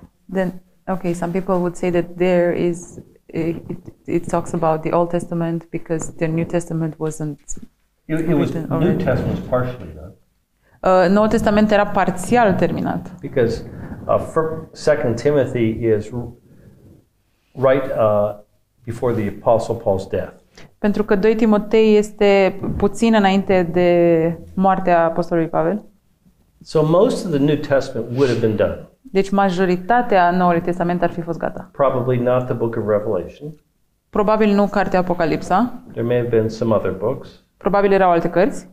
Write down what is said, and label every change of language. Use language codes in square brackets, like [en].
[en] Then, okay, some people would say that there is, it talks about the Old Testament because the New Testament wasn't written already. New Testament was partially done. [ro] Noul Testament era parțial terminat. [en] Because 2 Timothy is right before the Apostle Paul's death. [ro] Pentru că 2 Timotei este puțin înainte de moartea apostolului Pavel. [en] So most of the New Testament would have been done. [ro] Deci majoritatea Noului Testament ar fi fost gata. [en] Probably not the book of Revelation. [ro] Probabil nu cartea Apocalipsa. [en] There may have been some other books. [ro] Probabil erau alte cărți.